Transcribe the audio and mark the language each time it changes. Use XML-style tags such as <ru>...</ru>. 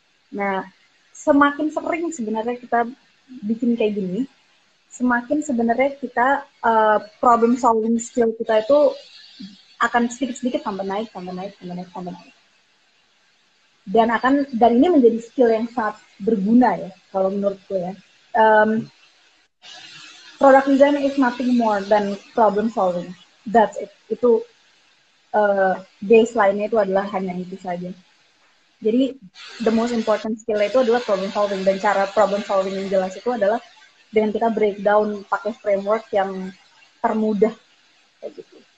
<id>Nah, semakin sering sebenarnya kita bikin kayak gini, semakin sebenarnya kita problem solving skill kita itu akan sedikit-sedikit tambah naik, tambah naik, tambah naik, tambah naik. Dan akan dan ini menjadi skill yang sangat berguna ya, kalau menurutku ya.</id> <en>Product design is nothing more than problem solving. That's it.</en> <id>Itu baseline-nya itu adalah hanya itu saja. Jadi</id> <en>the most important skill</en> <id>itu adalah problem solving dan cara problem solving yang jelas itu adalah dengan kita breakdown pakai framework yang termudah kayak gitu.</id>